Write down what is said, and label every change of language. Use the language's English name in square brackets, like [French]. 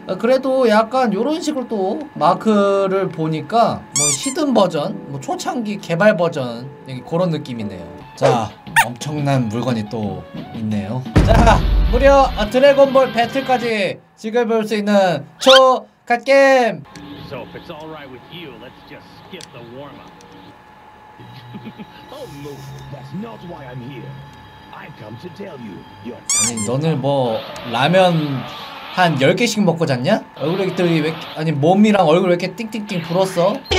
[Korean] 그래도 약간 요런 식으로 또 마크를 보니까 뭐 히든 버전, 뭐 초창기 개발 버전 그런 느낌이네요. 자 엄청난 물건이 또 있네요. 자 무려 드래곤볼 배틀까지 지금 볼 수 있는 초 갓겜. [English] So if it's all right with you, let's just skip the warm up. Oh no, that's not why I'm here. I've come to tell you. You're... [Korean] 아니 너는 뭐 라면 한 10개씩 먹고 잤냐? 얼굴에 이들이 왜 아니 몸이랑 얼굴 왜 이렇게 띵띵띵 불었어?